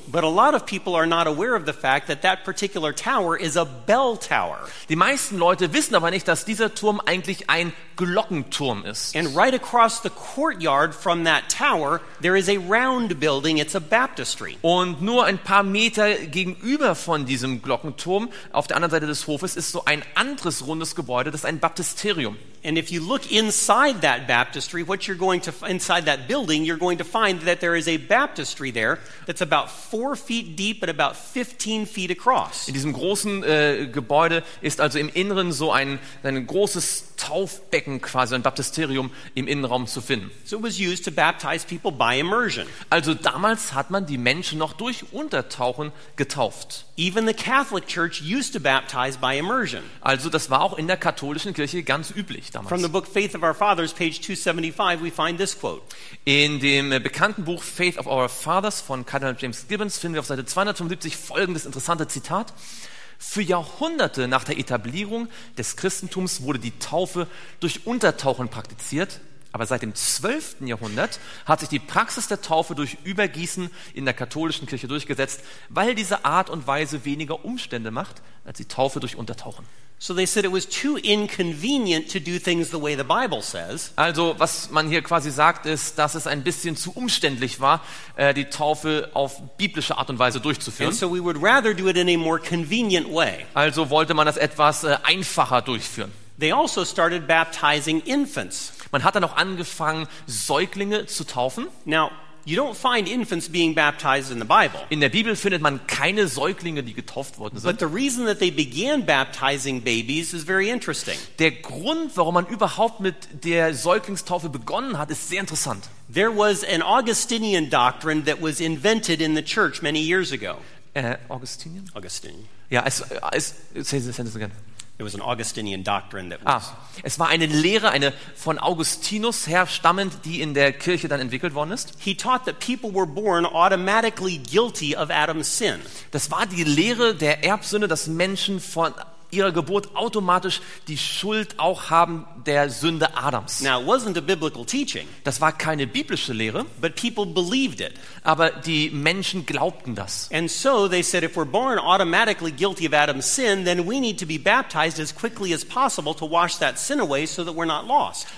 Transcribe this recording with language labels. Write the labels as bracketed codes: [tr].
[en] But a lot of people are not aware of the fact that that particular tower is a bell tower. [de] Die meisten Leute wissen aber nicht, dass dieser Turm eigentlich ein Glockenturm ist. [en] And right across the courtyard from that tower, there is a round building. It's a baptistry. [de] Und nur ein paar Meter gegenüber von diesem Glockenturm, auf der anderen Seite des Hofes, ist so ein anderes rundes Gebäude. Das ist ein Baptisterium. [en] And if you look inside that baptistry, what you're going to inside that building, you're going to find that there is a baptistry there that's about 4 feet deep and about 15 feet across. [de] In diesem großen Gebäude ist also im Inneren so ein großes Taufbecken, quasi ein Baptisterium im Innenraum zu finden. [en] So it was used to baptize people by immersion. [de] Also damals hat man die Menschen noch durch Untertauchen getauft. [en] Even the Catholic Church used to baptize by immersion. [de] Also das war auch in der katholischen Kirche ganz üblich damals. [en] From the book Faith of Our Fathers, page 275, we find this quote. [de] In dem bekannten Buch Faith of Our Fathers von Cardinal James Gibbons finden wir auf Seite 275 folgendes interessante Zitat. Für Jahrhunderte nach der Etablierung des Christentums wurde die Taufe durch Untertauchen praktiziert, aber seit dem 12. Jahrhundert hat sich die Praxis der Taufe durch Übergießen in der katholischen Kirche durchgesetzt, weil diese Art und Weise weniger Umstände macht als die Taufe durch Untertauchen. [en] So they said it was too inconvenient to do things the way the Bible says. [de] Also, was man hier quasi sagt, ist, dass es ein bisschen zu umständlich war, die Taufe auf biblische Art und Weise durchzuführen. [en] And so we would rather do it in a more convenient way. [de] Also wollte man das etwas einfacher durchführen. [en] They also started baptizing infants. [de] Man hat dann auch angefangen, Säuglinge zu taufen. [en] Now, you don't find infants being baptized in the Bible. [de] In der Bibel findet man keine Säuglinge, die getauft worden sind. [en] But the reason that they began baptizing babies is very interesting. [de] Der Grund, warum man überhaupt mit der Säuglingstaufe begonnen hat, ist sehr interessant. [en] There was an Augustinian doctrine that was invented in the church many years ago. Augustinian? Augustinian. Ja, say this again. It was an Augustinian doctrine that was. [de] Es war eine Lehre, eine von Augustinus her stammend, die in der Kirche dann entwickelt worden ist. [en] He taught that people were born automatically guilty of Adam's sin. [de] Das war die Lehre der Erbsünde, dass Menschen von ihrer Geburt automatisch die Schuld auch haben der Sünde Adams. [en] Now, it wasn't a biblical teaching. [de] Das war keine biblische Lehre, [en] but people believed it. [de] Aber die Menschen glaubten das. [en] And so they said, if we're born automatically guilty of Adam's sin, then we need to be baptized as quickly as possible to wash that sin away so that we're not lost.